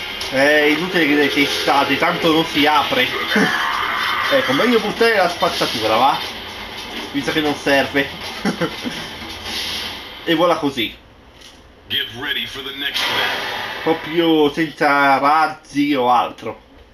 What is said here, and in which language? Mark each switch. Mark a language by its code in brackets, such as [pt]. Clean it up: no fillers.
[it] È inutile che sei stati, tanto non si apre. Ecco, meglio buttare la spazzatura, va? Visto che non serve. E vola così. [en] Get ready for the next battle. [it] Proprio senza razzi o altro.